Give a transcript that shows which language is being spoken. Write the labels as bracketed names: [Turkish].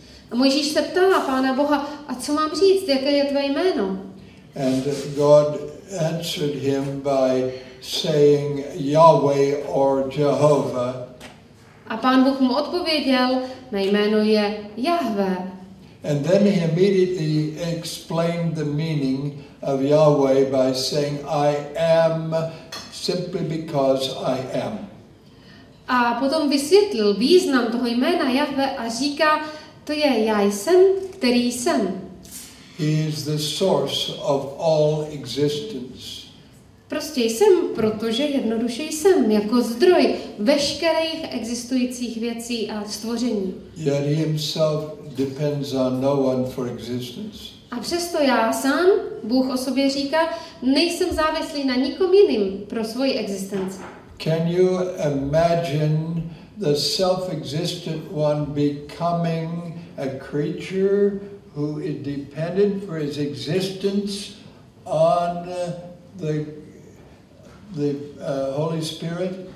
[Czech] A Mojžíš se ptal Pána Boha, a co mám říct, jaké je tvoje jméno? [English] And God answered him by saying Yahweh or Jehovah. [Czech] A Pán Bůh mu odpověděl, na jméno je Jahve. [English] And then he immediately explained the meaning of Yahweh by saying I am simply because I am. [Czech] A potom vysvětlil význam toho jména Jahve a říká, to je já jsem, který jsem. [English] He is the source of all existence. [Czech] Prostě jsem, protože jednoduše jsem, jako zdroj veškerých existujících věcí a stvoření. [English] Yet he himself depends on no one for existence. [Czech] A přesto já sám, Bůh o sobě říká, nejsem závislý na nikom jiným pro svoji existenci. [English] Can you imagine the self-existent one becoming a creature who is dependent for his existence on the Holy Spirit?